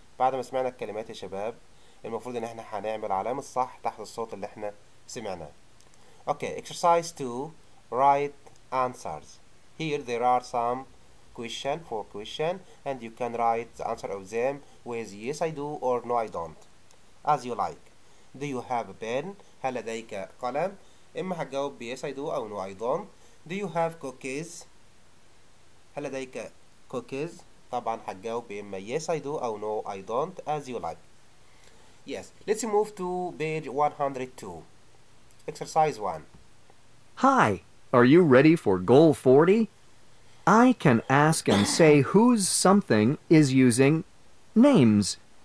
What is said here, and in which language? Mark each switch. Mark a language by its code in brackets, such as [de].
[ar] بعد ما سمعنا الكلمات يا شباب المفروض ان احنا هنعمل علامة الصح تحت الصوت اللي احنا سمعناه. [en] Okay, exercise 2. Write answers. Here there are some question, 4 question, and you can write the answer of them with yes I do or no I don't. As you like. Do you have a pen? [ar] هل لديك قلم؟ إما هتجاوب ب [en] yes I do [ar] أو [en] no I don't. Do you have cookies؟ [ar] هل لديك [en] cookies؟ [ar] طبعا هتجاوب بإما [en] yes I do [ar] أو [en] no I don't as you like. Yes, let's move to page 102. Exercise 1. Hi, are you ready for goal 40? I can ask and say whose something is using names.